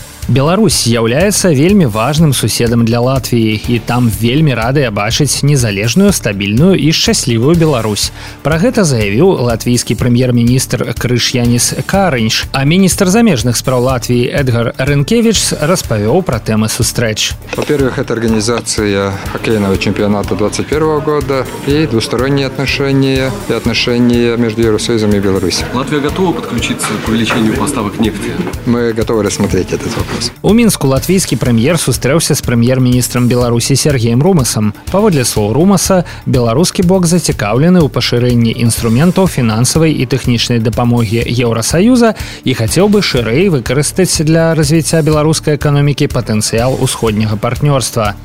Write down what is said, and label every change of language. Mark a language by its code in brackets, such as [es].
[be] Беларусь з'яўляецца вельмі важным суседам для Латвіі, і там вельмі радыя бачыць незалежную, стабільную і шчаслівую Беларусь. Пра гэта заявіў латвійскі прэм'ер-міністр Крышьяніс Карыньш, а міністр замежных справ Латвіі Эдгар Рынкевіч распавёў пра тэмы сустрэч. [ru] Во-первых, это организация хоккейного чемпионата 21 года и двусторонние отношения и отношения между Евросоюзом и Беларусью. Латвия готова подключиться к увеличению поставок нефти? Мы готовы рассмотреть этот вопрос. [be] У Мінску латвійскі прэм'ер сустрэўся з прэм'ер-міністрам Беларусі Сергеем Румасам. Паводле слоў Румаса, беларускі бок зацікаўлены ў пашырэнні інструментаў фінансавай і тэхнічнай дапамогі Еўрасаюза і хацеў бы шырэй выкарыстаць для развіцця беларускай эканомікі патэнцыял усходняга партнёрства.